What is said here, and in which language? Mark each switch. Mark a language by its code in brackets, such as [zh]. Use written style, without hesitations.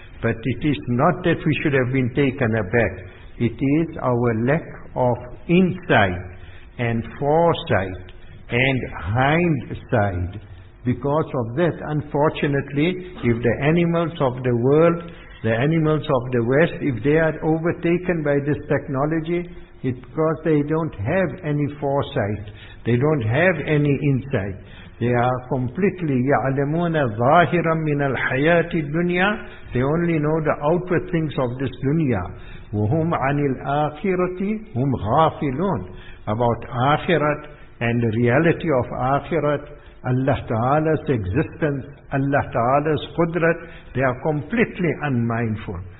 [en] But it is not that we should have been taken aback. It is our lack of insight and foresight and hindsight. Because of that, unfortunately, if the animals of the world, the animals of the West, if they are overtaken by this technology, it's because they don't have any foresight. They don't have any insight. They are completely [ar] يَعْلَمُونَ ظَاهِرًا مِنَ الْحَيَاةِ الدُّنْيَا. [en] They only know the outward things of this dunya. [ar] وَهُمْ عَنِ الْآخِرَةِ هُمْ غَافِلُونَ. [en] About akhirat and the reality of akhirat Allah Ta'ala's existence, Allah Ta'ala's Qudrat, they are completely unmindful.